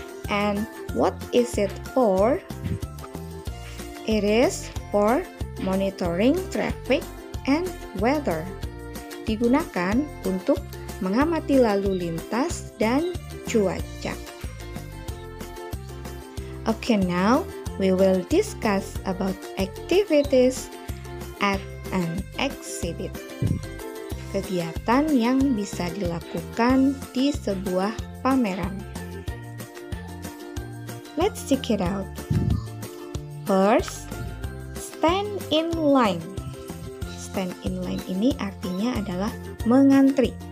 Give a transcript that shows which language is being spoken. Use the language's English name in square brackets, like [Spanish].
[English] And what is it for? It is for monitoring traffic and weather. [Indonesian] Digunakan untuk mengamati lalu lintas dan cuaca. [English] Okay, now we will discuss about activities at an exhibit. [Indonesian] Kegiatan yang bisa dilakukan di sebuah pameran. [English] Let's check it out. First, stand in line. Stand in line [Indonesian] ini artinya adalah mengantri.